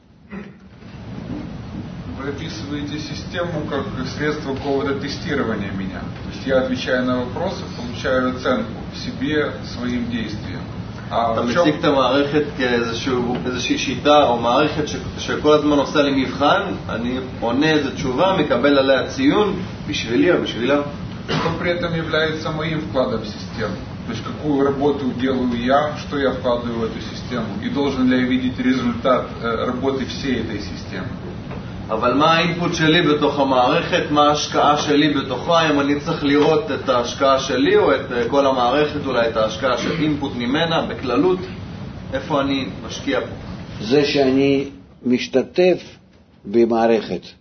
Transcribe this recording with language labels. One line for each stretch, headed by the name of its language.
Russian: Вы описываете систему как средство какого-то тестирования меня. То есть я отвечаю на вопросы, получаю оценку себе, своим действиям.
Hebrew: אתה מציג את המערכת כאיזושהי שיטה או מערכת שכל הזמן עושה לי מבחן, אני עונה איזו תשובה, מקבל עליה ציון, בשבילי או בשבילה.
Russian: Что при этом является моим вкладом в систему? То есть какую работу делаю я, что я вкладываю в эту систему? И должен ли я видеть результат работы всей этой системы?
Hebrew: אבל מה האינפוט שלי בתוך המערכת, מה ההשקעה שלי בתוכה, אם אני צריך לראות את ההשקעה שלי או את כל המערכת, אולי את ההשקעה של אינפוט ממנה, בכללות, איפה אני משקיע פה? זה שאני משתתף במערכת.